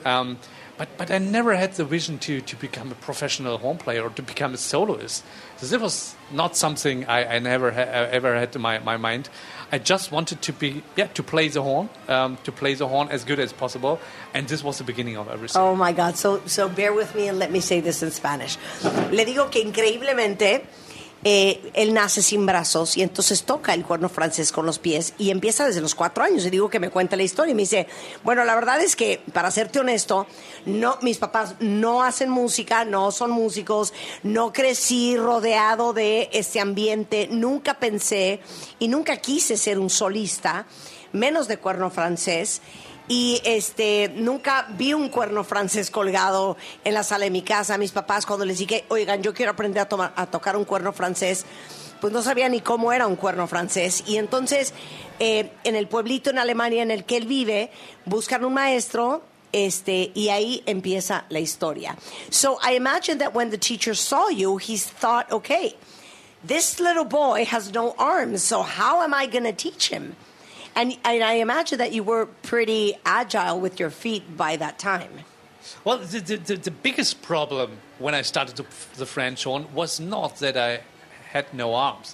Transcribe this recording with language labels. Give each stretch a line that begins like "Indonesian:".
English: But I never had the vision to become a professional horn player or to become a soloist. So this was not something I ever had in my mind. I just wanted to play the horn, as good as possible. And this was the beginning of everything. Oh, my God. So bear with me and let me say this in Spanish.
Spanish: Le digo que increíblemente... él nace sin brazos y entonces toca el cuerno francés con los pies y empieza desde los 4 años. Y digo que me cuenta la historia y me dice, bueno, la verdad es que, para serte honesto, no, mis papás no hacen música, no son músicos, no crecí rodeado de este ambiente, nunca pensé y nunca quise ser un solista, menos de cuerno francés. Y nunca vi un cuerno francés colgado en la sala de mi casa. Mis papás, cuando les dije, oigan, yo quiero aprender a tocar un cuerno francés, pues no sabía ni cómo era un cuerno francés. Y entonces, en el pueblito en Alemania en el que él vive, buscan un maestro, y ahí empieza la historia.
English: So I imagine that when the teacher saw you, he thought, okay, this little boy has no arms, so how am I going to teach him? And I imagine that you were pretty agile with your feet by that time. Well, the biggest problem when I started the French horn was not that I had no arms.